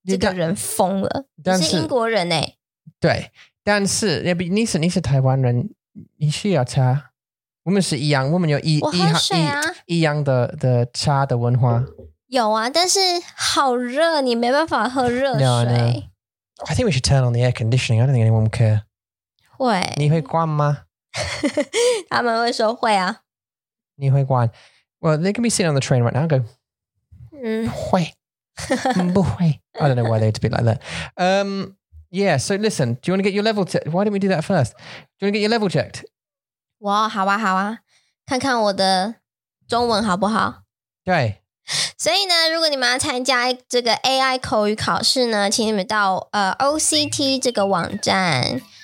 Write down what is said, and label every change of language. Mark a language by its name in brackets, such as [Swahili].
[Chinese] 这个人疯了，但是英国人哎。对，但是你是台湾人，你需要茶。我们是一样，我们有一样的茶的文化。有啊，但是好热，你没办法喝热水。 [English] No. I think we should turn on the air conditioning. I don't think anyone would care. [Chinese] 会。你会关吗？他们会说会啊，你会关 ？ [English] Well, they can be sitting on the train right now. Go, [Chinese] 会，不会 ？ [English] I don't know why they'd be like that. Yeah. So listen, do you want to get your level checked? Why don't we do that first? Do you want to get your level checked? [Chinese] 哇，好啊，好啊，看看我的中文好不好？对。所以呢，如果你们要参加这个 AI 口语考试呢，请你们到OCT 这个网站。